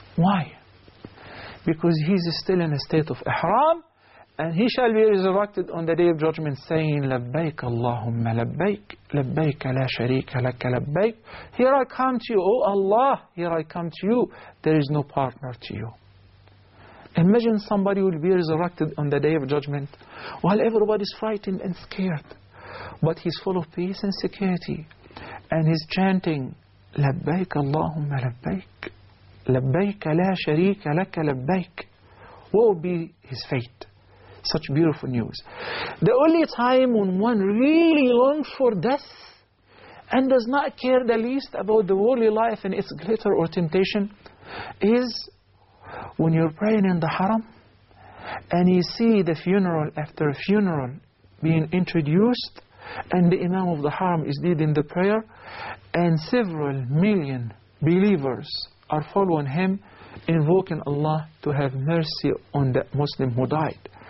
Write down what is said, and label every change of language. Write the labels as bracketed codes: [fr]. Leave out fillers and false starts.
[en] Why? Because he is still in a state of ihram and he shall be resurrected on the day of judgment saying, labbaik Allahumma labbaik, labbaik la sharika laka labbaik. Here I come to you, O Allah, here I come to you. There is no partner to you. Imagine somebody will be resurrected on the day of judgment while everybody is frightened and scared. But he's full of peace and security. And he's chanting, [ar] لبيك اللهم لبيك لبيك لا شريك لك لبيك. [en] What will be his fate? Such beautiful news. The only time when one really longs for death and does not care the least about the worldly life and its glitter or temptation is when you're praying in the haram and you see the funeral after funeral being introduced and the imam of the haram is leading the prayer and several million believers are following him, invoking Allah to have mercy on the Muslim who died.